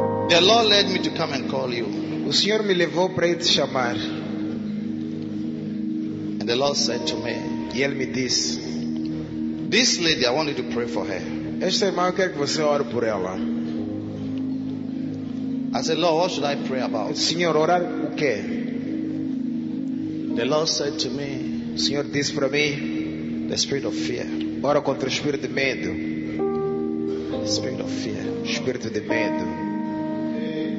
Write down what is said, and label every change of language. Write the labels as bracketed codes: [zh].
[en] The Lord led me to come and call you. [pt] O Senhor me levou para te chamar. [en] And the Lord said to me, [pt] e Ele me disse, [en] this lady, I want you to pray for her. [pt] Esta irmã, eu quero que você ore por ela. [en] I said, Lord, what should I pray about? [pt] Senhor, orar o quê? [en] The Lord said to me, [pt] o Senhor disse para mim, [en] the spirit of fear. [pt] Ora contra o espírito de medo. [en] Spirit of fear. [pt] Espírito de medo.